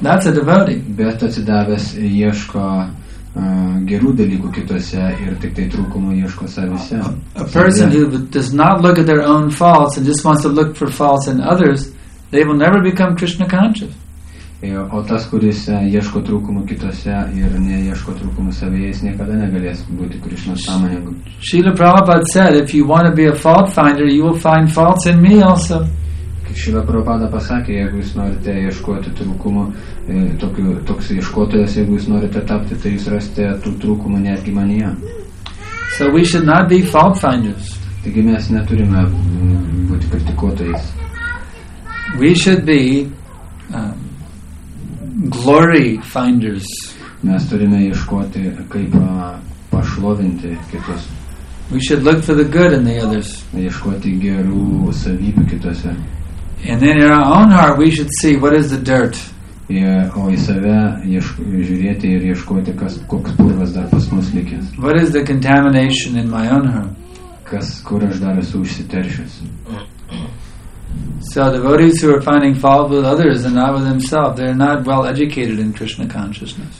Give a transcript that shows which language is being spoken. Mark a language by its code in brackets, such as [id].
[en] That's a devotee. [lt] Bet atsidavęs ieško gerų dalykų kitose ir tik tai trūkumų ieško savise. [en] A person who does not look at their own faults and just wants to look for faults in others, they will never become Krishna conscious. [lt] O tas, kuris ieško trūkumų kitose ir neieško trūkumų savyje, jis niekada negalės būti Krishna sąmoningu. [en] Srila Prabhupada said, if you want to be a fault finder, you will find faults in me also. [lt] Srila Prabhupada pasakė, jeigu jūs norite ieškoti trūkumų, toks ieškotojas, jeigu jūs norite tapti, tai jūs rasite tų trūkumų netgi manyje. [en] So we should not be fault finders. [lt] Taigi mes neturime būti kritikuotojais. [en] We should be glory finders. [lt] Mes turime ieškoti, kaip pašlovinti kitus. [en] We should look for the good in the others. [lt] Ieškoti gerų savybių kitose. [en] And then in our own heart we should see what is the dirt. [lt] O į save žiūrėti ir ieškoti, koks purvas dar pas mus likęs. [en] What is the contamination in my own heart? [lt] Kur aš dar esu užsiteršęs. [en] So devotees who are finding fault with others and not with themselves, they're not well educated in Krishna consciousness.